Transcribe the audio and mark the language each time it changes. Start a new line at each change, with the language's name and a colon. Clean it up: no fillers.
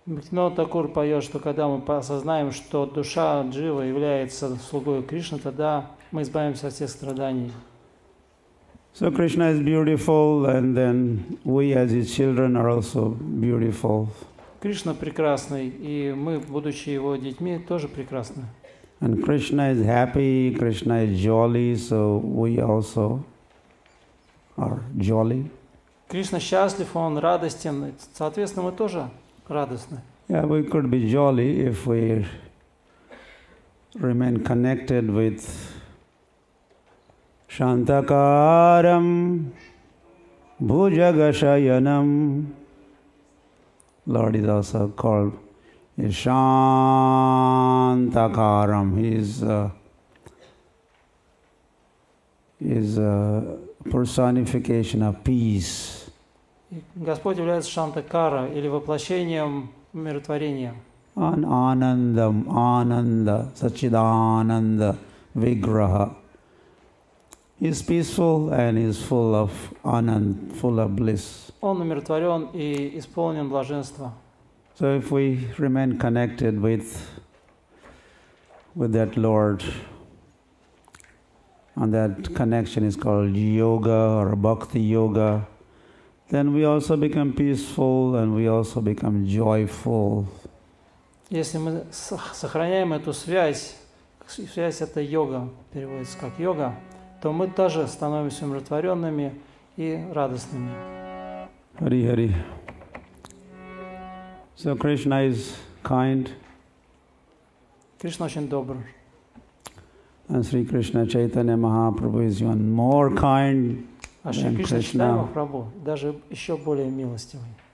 Russian: Но Такур поет, что когда мы осознаем, что душа Джива является слугой Кришны, тогда мы избавимся от всех страданий.
English: So Krishna is beautiful, and then we as his children are also beautiful.
Russian: Кришна прекрасный, и мы, будучи его детьми, тоже прекрасны.
English: And Krishna is happy, Krishna is jolly, so we also are jolly.
Russian: Кришна счастлив, он радостен, соответственно, мы тоже радостны.
English: Yeah, we could be jolly if we remain connected with Shantakaram Bhujagashayanam. Lord is also called Shantakaram. He is a personification of peace.
Russian: Господь является Шантакара или воплощением умиротворения.
English: An Anandam, Ananda, Sachidananda, Vigraha. He is peaceful and he is full of Anand, full of bliss.
Russian: Он умиротворен и исполнен блаженства.
English: So if we remain connected with that Lord, and that connection is called yoga or bhakti yoga, then we also become peaceful and we also become joyful.
Russian: Если мы сохраняем эту связь это йога, переводится как йога, то мы тоже становимся умиротворенными и радостными.
English: Hari Hari. So Krishna is kind.
Russian: Krishna очень добр.
English: And Sri Krishna Chaitanya Mahaprabhu is even more kind than Krishna.
Russian: Прабху даже еще более милостивый.